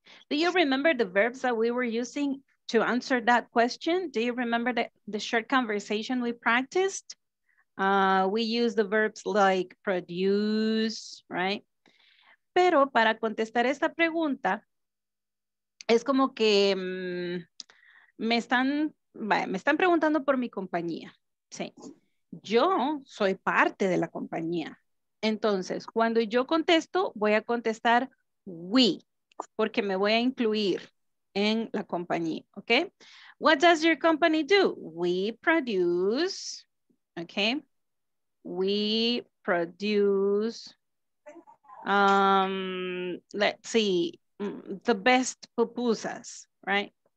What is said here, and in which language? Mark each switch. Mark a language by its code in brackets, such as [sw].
[en] Do you remember the verbs that we were using to answer that question? Do you remember the short conversation we practiced? We use the verbs like produce, right? [es] Pero para contestar esta pregunta, es como que me están preguntando por mi compañía. Sí, yo soy parte de la compañía. Entonces, cuando yo contesto, voy a contestar we, porque me voy a incluir en la compañía, ¿ok? [en] What does your company do? We produce, ¿ok? We produce, let's see, the best pupusas, right?